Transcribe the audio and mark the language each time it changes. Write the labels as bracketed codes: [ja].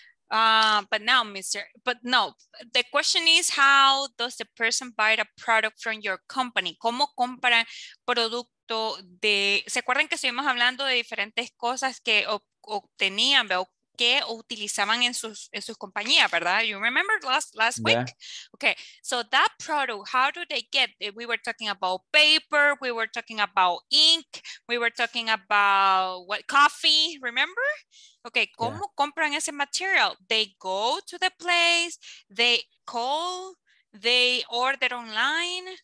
[en] The question is, how does the person buy the product from your company? [es] ¿Cómo compra producto de? ¿Se acuerdan que estuvimos hablando de diferentes cosas que obtenían, ¿ve? Que utilizaban en sus compañías, ¿verdad? [en] You remember last week? Yeah. Okay, so that product, how do they get it? We were talking about paper, we were talking about ink, we were talking about what, coffee, remember? Okay, [es] ¿cómo compran ese material? [en] They go to the place, they call, they order online.